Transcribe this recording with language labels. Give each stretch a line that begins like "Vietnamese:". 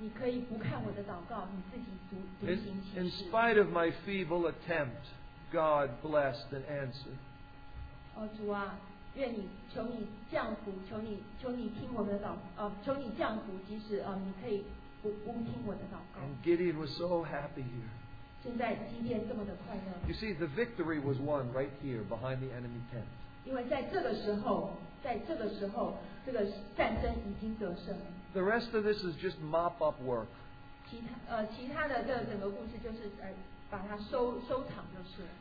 English: In spite of my feeble attempt, God blessed and answered.
Chinese: Oh, 主啊, 求你降福, 即使, 你可以不听我的祷告。
English: And Gideon was so happy here. You see, the victory was won right here behind the enemy tent.
Chinese: 因为在这个时候, 这个战争已经得胜。
English: The rest of this is just mop up work.
Chinese: 其他的这个整个故事就是, 把它收藏就是了。